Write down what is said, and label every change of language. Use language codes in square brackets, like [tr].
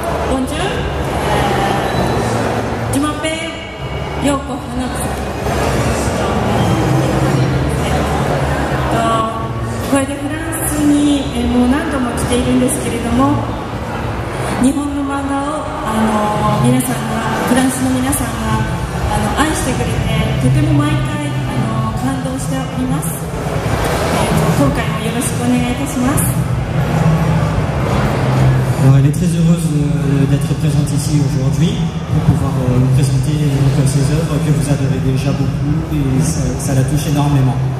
[fr] Bonjour. Je m'appelle Yoko Hanatsu. Je suis en France depuis longtemps. [ja] 日本の漫画を皆さんが、フランスの皆さんが愛してくれて、とても毎回感動しております。今回もよろしくお願いいたします。 [fr] Elle est très heureuse d'être présente ici aujourd'hui pour pouvoir vous présenter donc ses œuvres que vous adorez déjà beaucoup et ça la touche énormément.